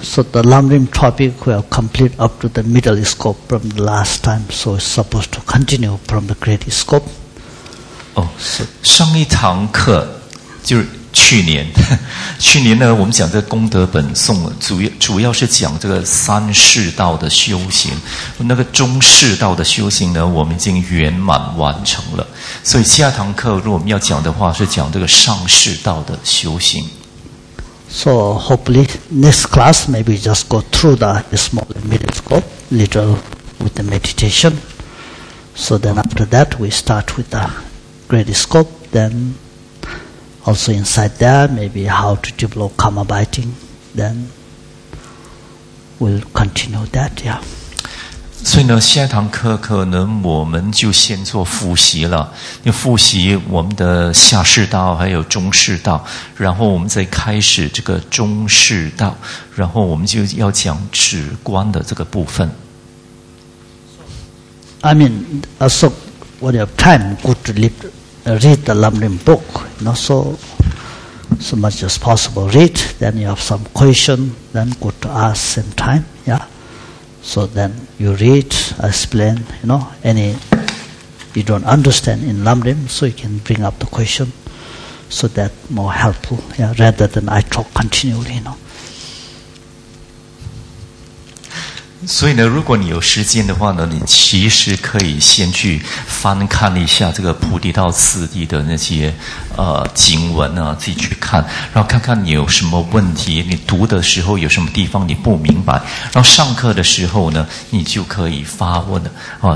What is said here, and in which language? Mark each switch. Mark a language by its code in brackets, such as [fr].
[en] So the Lamrim topic will complete up to the middle scope from the last time. So it's supposed to continue from the great scope. [zh] 上一堂课就是去年呢，我们讲这个功德本颂，主要是讲这个三世道的修行。那个中世道的修行呢，我们已经圆满完成了。所以下堂课如果我们要讲的话，是讲这个上世道的修行。 [en] So hopefully next class maybe just go through the small middle scope little with the meditation. So then after that we start with the great scope then. Also inside there, maybe how to develop karma biting, then we'll continue that, yeah. [zh] 所以呢，下一堂课可能我们就先做复习了，因为复习我们的下士道还有中士道，然后我们再开始这个中士道，然后我们就要讲止观的这个部分。 [en] I mean, so when you have time, good to leave. Read the Lamrim book, you know, so much as possible read, then you have some question, then go to ask same time, yeah. So then you read, explain, you know, any you don't understand in Lamrim, so you can bring up the question, so that's more helpful, yeah, rather than I talk continually, you know. [zh] 所以呢，如果你有时间的话呢，你其实可以先去翻看一下这个菩提道次第的那些经文啊，自己去看，然后看看你有什么问题，你读的时候有什么地方你不明白，然后上课的时候呢，你就可以发问了啊。